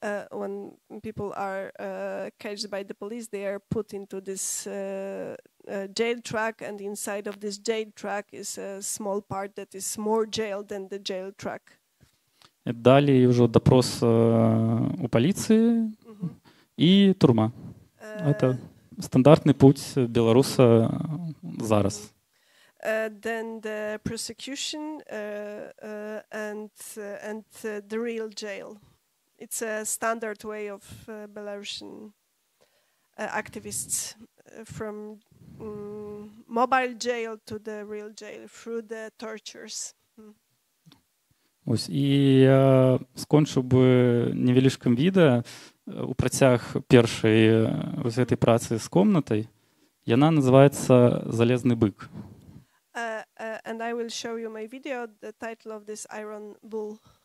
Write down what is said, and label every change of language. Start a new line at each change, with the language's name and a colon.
English: When people are caged by the police, they are put into this jail truck, and inside of this jail truck is a small part that is more jail than the jail truck.
Belarusian: Далі ўжо допрос у паліцыі і турма. Гэта стандартны путь беларуса зараз.
English: Then the prosecution and the real jail. It's a standard way of Belarusian activists from mobile jail to the real jail through the tortures.
Belarusian: Ось, і я скончу б невялічкім відео у працяг першай ось гэтай праці з комнатай. Яна называецца «Залезний бык».
English: And I will show you my video, the title of this Iron Bull.